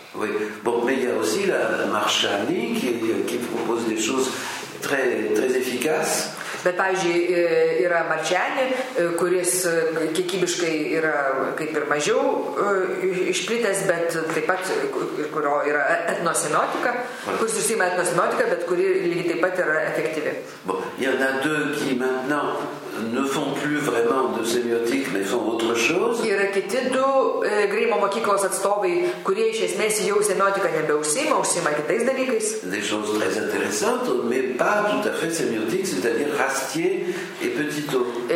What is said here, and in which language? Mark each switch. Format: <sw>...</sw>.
<fr>Oui. Bon, mais il y a aussi la Marchani qui propose des choses très, très efficace.</fr> <lt>Bet, pavyzdžiui, yra Marčiani, kuris kiekybiškai yra kaip ir mažiau išplitęs, bet taip pat, kurio yra etnosemiotika, kuris susima etnosemiotika, bet kuri lygiai taip pat yra efektyvi.</lt> <fr>Bon, il y en a deux qui maintenant ne font plus vraiment de sémiotique, mais font autre chose.</fr> <lt>Yra kiti du Grimo mokyklos atstovai, kurie iš esmės jau semiotika nebeusima, užsima kitais dalykais.</lt> <fr>Des choses très intéressantes, mais pas tout à fait sémiotique, c'est-à-dire Rastier et Petitot.</fr>